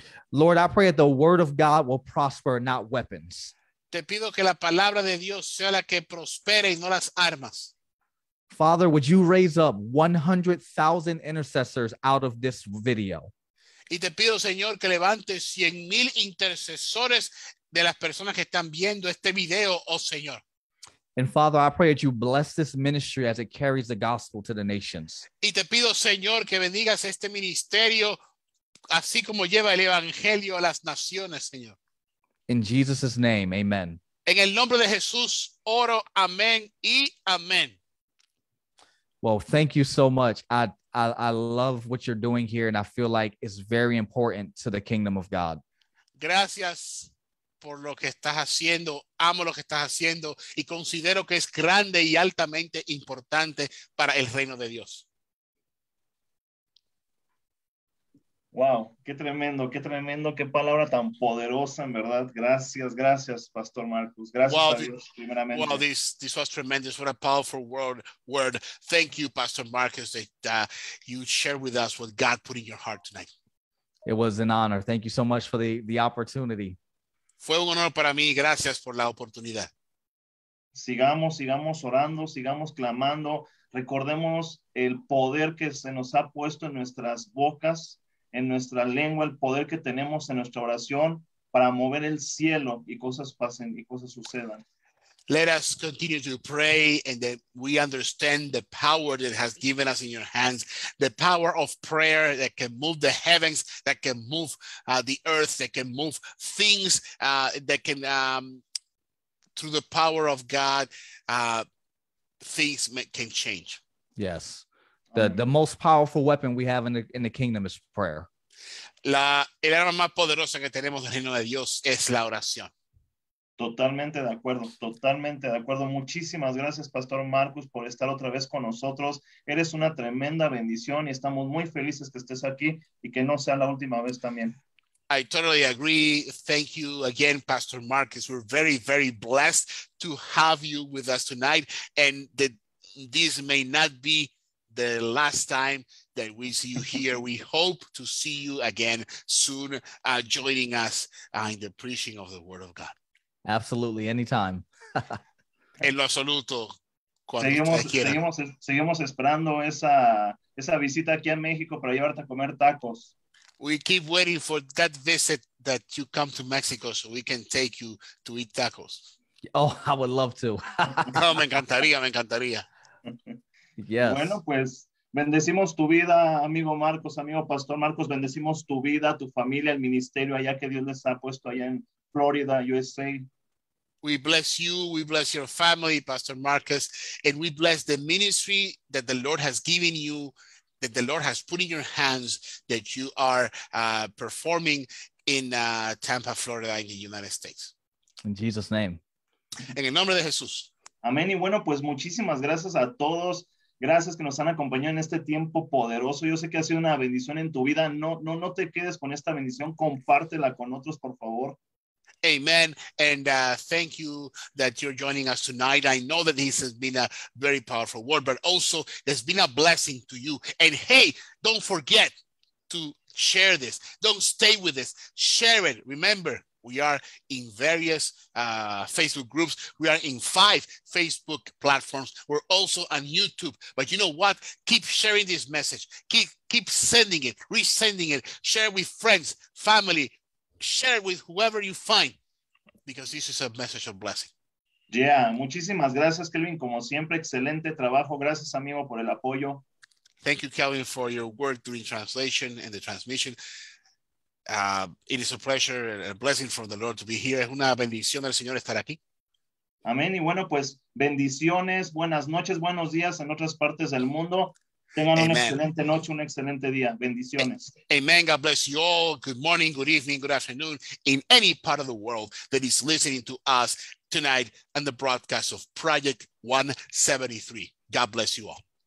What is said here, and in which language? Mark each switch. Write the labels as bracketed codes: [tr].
[en] Lord, I pray that the word of God will prosper, not weapons. [es] Te pido que la palabra de Dios sea la que prospere y no las armas. [en] Father, would you raise up 100,000 intercessors out of this video? [es] Y te pido, Señor, que levantes 100,000 intercesores de las personas que están viendo este video, oh Señor. [en] And Father, I pray that you bless this ministry as it carries the gospel to the nations. [es] Y te pido, Señor, que bendigas este ministerio así como lleva el evangelio a las naciones, Señor. [en] In Jesus' name, amen. [es] En el nombre de Jesús, oro, amén y amén. [en] Well, thank you so much. I love what you're doing here, and I feel like it's very important to the kingdom of God. [es] Gracias por lo que estás haciendo. Amo lo que estás haciendo, y considero que es grande y altamente importante para el reino de Dios. Wow, qué tremendo, qué palabra tan poderosa, en verdad. Gracias, gracias, Pastor Marcus. Gracias a Dios, primeramente. [en] Wow, this was tremendous. What a powerful word. Thank you, Pastor Marcus, that you shared with us what God put in your heart tonight. It was an honor. Thank you so much for the opportunity. [es] Fue un honor para mí. Gracias por la oportunidad. Sigamos orando, sigamos clamando. Recordemos el poder que se nos ha puesto en nuestras bocas, en nuestra lengua, el poder que tenemos en nuestra oración para mover el cielo y cosas pasen y cosas sucedan. [en] Let us continue to pray and that we understand the power that has given us in your hands, the power of prayer that can move the heavens, that can move the earth, that can move things, that can, through the power of God, things can change. Yes. The most powerful weapon we have in the kingdom is prayer. [es] El arma más poderosa que tenemos en el reino de Dios es la oración. Totalmente de acuerdo, totalmente de acuerdo. Muchísimas gracias, Pastor Marcus, por estar otra vez con nosotros. Eres una tremenda bendición y estamos muy felices que estés aquí y que no sea la última vez también. [en] I totally agree. Thank you again, Pastor Marcus. We're very, very blessed to have you with us tonight, and that this may not be the last time that we see you here. We hope to see you again soon, joining us in the preaching of the word of God. Absolutely, anytime. [es] En lo absoluto. Seguimos esperando esa visita aquí a México para llevarte a comer tacos. [en] We keep waiting for that visit that you come to Mexico so we can take you to eat tacos. Oh, I would love to. [es] No, me encantaría. [en] Yes. [es] Bueno, pues bendecimos tu vida, amigo Marcos, amigo Pastor Marcos, bendecimos tu vida, tu familia, el ministerio allá que Dios les ha puesto allá en Florida, USA. [en] We bless you, we bless your family, Pastor Marcos, and we bless the ministry that the Lord has given you, that the Lord has put in your hands, that you are performing in Tampa, Florida, in the United States. In Jesus' name. [es] En el nombre de Jesús. Amén. Y bueno, pues muchísimas gracias a todos. Gracias que nos han acompañado en este tiempo poderoso. Yo sé que ha sido una bendición en tu vida. No te quedes con esta bendición. Compártela con otros, por favor. [en] Amen. And thank you that you're joining us tonight. I know that this has been a very powerful word, but also it's been a blessing to you. And hey, don't forget to share this. Don't stay with this. Share it. Remember, we are in various Facebook groups. We are in 5 Facebook platforms. We're also on YouTube. But you know what? Keep sharing this message. Keep sending it, resending it. Share with friends, family. Share with whoever you find, because this is a message of blessing. [es] Yeah, muchísimas gracias, Kelvin. Como siempre, excelente trabajo. Gracias, amigo, por el apoyo. [en] Thank you, Kelvin, for your work during translation and the transmission. It is a pleasure and a blessing from the Lord to be here. [es] Es una bendición del Señor estar aquí. Amén. Y bueno, pues bendiciones, buenas noches, buenos días en otras partes del mundo. Tengan una excelente noche, un excelente día. Bendiciones. [en] Amen. God bless you all. Good morning, good evening, good afternoon in any part of the world that is listening to us tonight on the broadcast of Project 173. God bless you all.